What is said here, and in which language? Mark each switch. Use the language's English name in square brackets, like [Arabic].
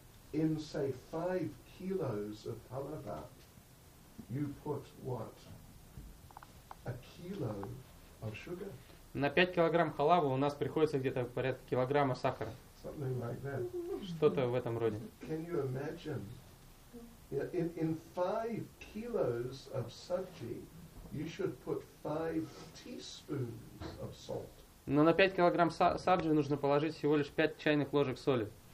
[English] In say 5 kilos of halava, you put what? A kilo of sugar. [Russian] На 5 килограмм халавы у нас приходится где-то порядка килограмма сахара. [English] Something like that. [Russian] Что-то в этом роде. [English] Can you imagine? In 5 kilos of sabji, you should put 5 teaspoons of salt. [Russian] Но на 5 килограмм сабжи нужно положить всего лишь 5 чайных ложек соли.